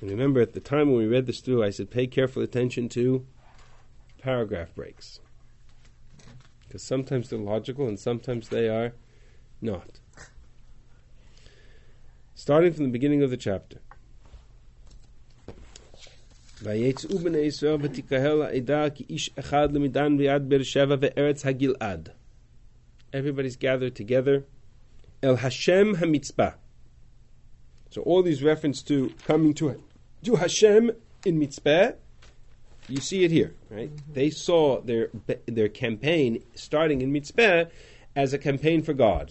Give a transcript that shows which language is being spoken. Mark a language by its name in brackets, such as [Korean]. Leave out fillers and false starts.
[English] And remember, at the time when we read this through, I said, pay careful attention to paragraph breaks. Because sometimes they're logical and sometimes they are not. Starting from the beginning of the chapter. [Hebrew] ויצאו בני ישראל ותקהל העדה כי איש אחד למדן ויד בר שבע וארץ הגלעד. [English] Everybody's gathered together. [Hebrew] אל השם המצפה. [English] So all these references to coming to it. Do Hashem in Mitzpah. You see it here, right? Mm-hmm. They saw their campaign starting in Mitzpah as a campaign for God.